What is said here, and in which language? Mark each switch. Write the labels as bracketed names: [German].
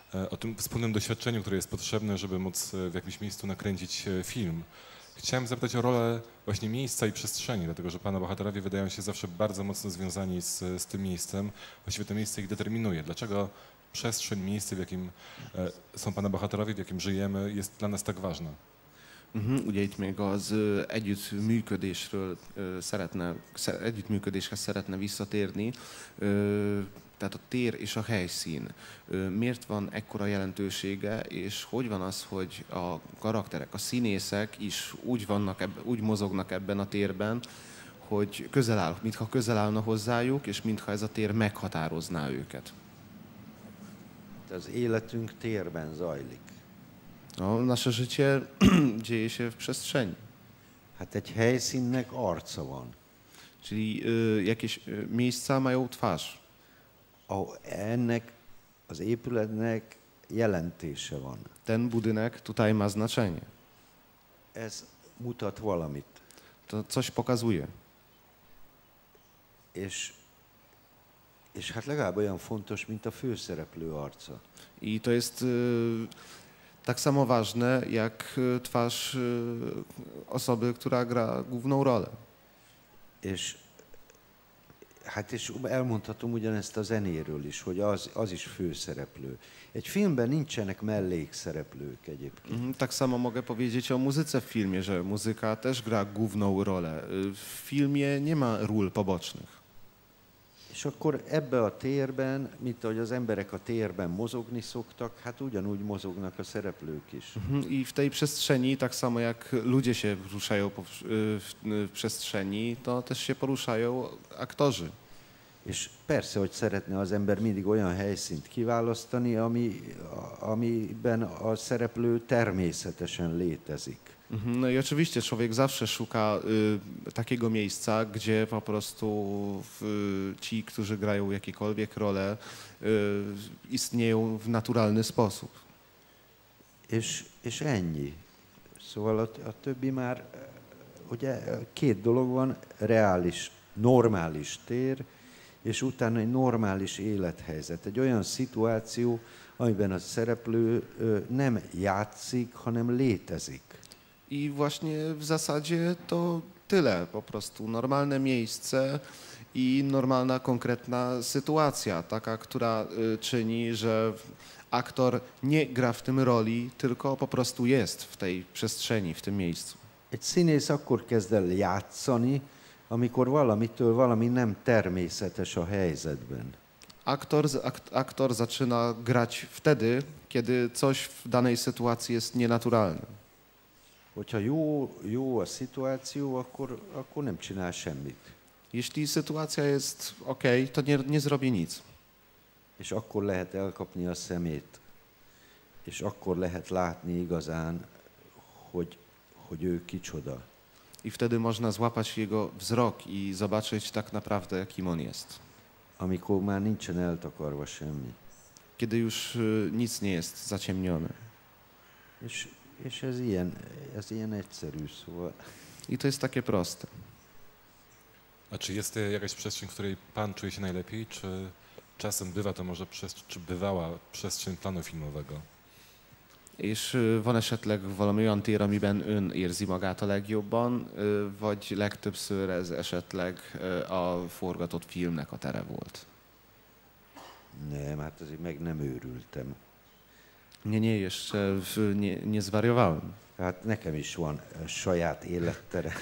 [Polish] O tym wspólnym doświadczeniu, które jest potrzebne, żeby móc w jakimś miejscu nakręcić film. Chciałem zapytać o rolę właśnie miejsca i przestrzeni, dlatego że pana bohaterowie wydają się zawsze bardzo mocno związani z tym miejscem. Właściwie to miejsce ich determinuje. Dlaczego przestrzeń, miejsce, w jakim są pana bohaterowie, w jakim żyjemy, jest dla nas tak ważne? [Hungarian] Még az együttműködésről együttműködéshez szeretne visszatérni. Tehát a tér és a helyszín. Miért van ekkora jelentősége, és hogy van az, hogy a karakterek, a színészek is úgy mozognak ebben a térben, hogy közel áll, mintha közel állna hozzájuk, és mintha ez a tér meghatározná őket. Az életünk térben zajlik. [Polish] A nasze życie dzieje się w przestrzeni. [Hungarian] Hát egy helyszínnek arca van. [Polish] Czyli jakieś miejsca mają twarz. [Hungarian] Ennek az épületnek jelentése van. [Polish] Ten budynek tutaj ma znaczenie. [Hungarian] Ez mutat valamit. [Polish] To coś pokazuje. [Hungarian] És hát legalább olyan fontos, mint a főszereplő arca. [Polish] I to jest tak samo ważne, jak twarz osoby, która gra główną rolę. [Hungarian] Hát és elmondhatom ugyanezt a zenéről is, hogy az is főszereplő. Egy filmben nincsenek mellékszereplők egyébként. [Polish] Tak samo mogę powiedzieć o muzyce w filmie, że muzyka też gra główną rolę. W filmie nie ma ról pobocznych. [Hungarian] És akkor ebbe a térben, mint ahogy az emberek a térben mozogni szoktak, hát ugyanúgy mozognak a szereplők is. [Polish] I w tej przestrzeni, tak samo jak ludzie się ruszają w przestrzeni, to też się poruszają aktorzy. [Hungarian] És persze, hogy szeretne az ember mindig olyan helyszínt kiválasztani, amiben a szereplő természetesen létezik. [Polish] No i oczywiście człowiek zawsze szuka takiego miejsca, gdzie po prostu ci, którzy grają jakiekolwiek role, istnieją w naturalny sposób. [Hungarian] És ennyi. Szóval a többi már, ugye két dolog van, reális, normális tér, és utána egy normális élethelyzet, egy olyan szituáció, amiben a szereplő nem játszik, hanem létezik. [Polish] I właśnie w zasadzie to tyle, po prostu normalne miejsce i normalna, konkretna sytuacja, taka, która czyni, że aktor nie gra w tym roli, tylko po prostu jest w tej przestrzeni, w tym miejscu. [Hungarian] Egy színész akkor kezd el játszani, amikor valamitől valami nem természetes a helyzetben. [Polish] Aktor zaczyna grać wtedy, kiedy coś w danej sytuacji jest nienaturalne. [Hungarian] Hogyha jó a szituáció, akkor nem csinál semmit. [Polish] Jeśli sytuacja jest ok, to nie zrobi nic. [Hungarian] És akkor lehet elkapni a szemét, és akkor lehet látni igazán, hogy ő kicsoda. [Polish] I wtedy można złapać jego wzrok i zobaczyć tak naprawdę, kim on jest. [Hungarian] Amikor már nincsen eltakarva semmi. [Polish] Kiedy już nic nie jest zaciemnione. [Hungarian] És ez ilyen egyszerű, szóval. [Polish] I to jest takie proste. A czy jest jakaś przestrzeń, w której pan czuje się najlepiej, czy czasem bywa to może czy bywała przestrzeń planu filmowego? [Hungarian] És van esetleg valami olyan tér, amiben ön érzi magát a legjobban, vagy legtöbbször ez esetleg a forgatott filmnek a tere volt? Nem, hát azért meg nem őrültem. [Polish] Nie, jeszcze nie zwariowałem. [Hungarian] Hát nekem is van saját élettere.